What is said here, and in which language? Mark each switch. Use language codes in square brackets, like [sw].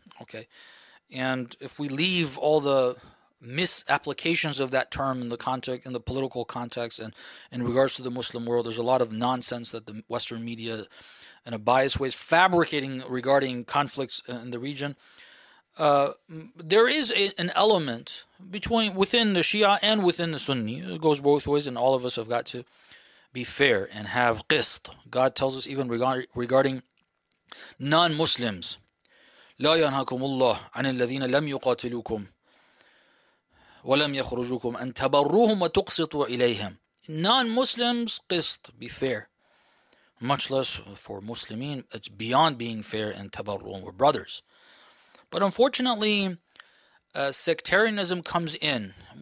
[en] Okay, and if we leave all the misapplications of that term in the context, in the political context, and in regards to the Muslim world, there's a lot of nonsense that the Western media, in a biased way, is fabricating regarding conflicts in the region. There is an element between within the Shia and within the Sunni. It goes both ways, and all of us have got to be fair and have qist. God tells us even regarding non-Muslims, [ar] لا ينهاكم الله عن الذين لم يقاتلوكم وَلَمْ يَخْرُجُكُمْ أَنْ تَبَرُّهُمْ وَتُقْسِطُوا إِلَيْهِمْ. [en] Non-Muslims, qist, be fair. Much less for Muslimin, it's beyond being fair, and tabarruhum, we're brothers. But unfortunately, sectarianism comes in.